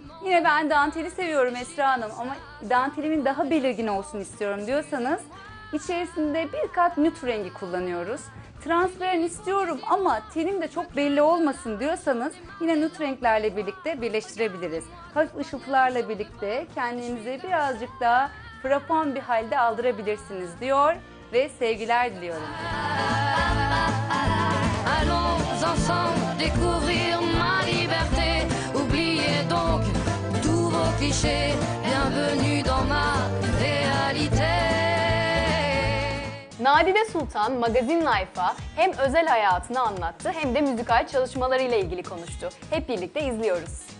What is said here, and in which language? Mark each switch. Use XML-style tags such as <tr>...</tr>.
<tr>Yine ben danteli seviyorum Esra Hanım ama dantelimin daha belirgin olsun istiyorum diyorsanız içerisinde bir kat nütr rengi kullanıyoruz. Transparan istiyorum ama tenim de çok belli olmasın diyorsanız yine nütr renklerle birlikte birleştirebiliriz. Hafif ışıltılarla birlikte kendinizi birazcık daha frapan bir halde aldırabilirsiniz diyor ve sevgiler diliyorum.</tr> <fr>Allons ensemble découvrir ma liberté. Oubliez donc tous vos clichés. Bienvenue dans ma réalité.</fr> <tr>Nadide Sultan Magazine Life'a hem özel hayatını anlattı hem de müzikal çalışmalarıyla ilgili konuştu. Hep birlikte izliyoruz.</tr>